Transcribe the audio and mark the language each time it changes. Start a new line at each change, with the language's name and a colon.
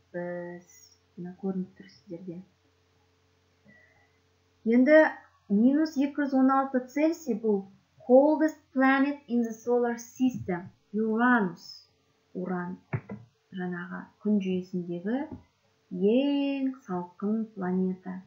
Kazakh: Мына көрініп тұрсыздерде. Енді -216 Цельсий бұл
English: coldest planet in the solar system, Uranus.
Kazakh: Уран жаңағы күн жүйесіндегі ең салқын планета.